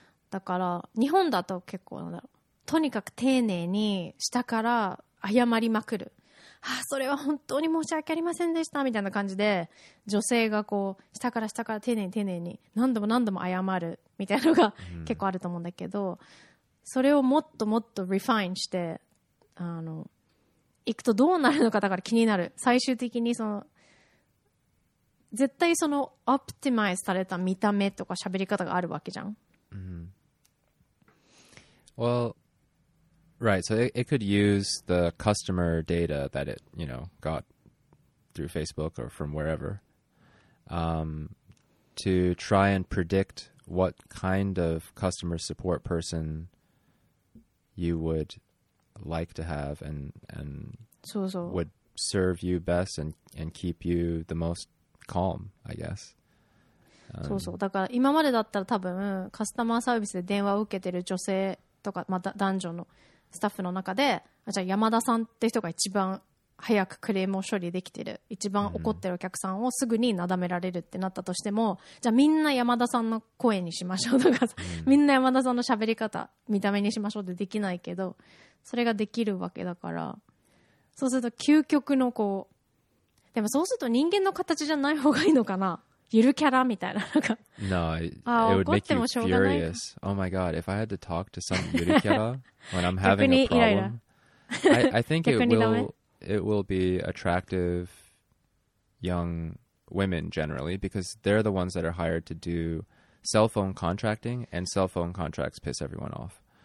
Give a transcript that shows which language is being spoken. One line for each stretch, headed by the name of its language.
Japanese: だから日本だと結構なんだろう、とにかく丁寧に下から謝りまくる、はあ、それは本当に申し訳ありませんでしたみたいな感じで、女性がこう下から下から丁寧に丁寧に何度も何度も謝るみたいなのが結構あると思うんだけど、それをもっともっとリファインして行くとどうなるのか、だから気になる。最終的にその絶対そのオプティマイズされた見た目とか喋り方があるわけじゃん。
English: Well, right, so it could use the customer data that it, you know, got through Facebook or from wherever, to try and predict what kind of customer support person you would like to have and
Japanese: そうそう
English: would serve you best and keep you the most calm, I guess.
Japanese: そうそう、だから今までだったら多分カスタマーサービスで電話を受けてる女性とか、まあ、男女のスタッフの中で、あ、じゃあ山田さんって人が一番早くクレームを処理できてる、一番怒ってるお客さんをすぐになだめられるってなったとしても、じゃあみんな山田さんの声にしましょうとかさ、みんな山田さんの喋り方見た目にしましょうってできないけど、それができるわけだから、そうすると究極のこう、でもそうすると人間の形じゃない方がいいのかな、ゆるキャラみたいな。
English: No, it would make you furious. Oh my god, if I had to talk to some ゆるキャラ when I'm having a problem, I think it will be attractive young women generally, because they're the ones that are hired to do cell phone contracting, and cell phone contracts piss everyone off.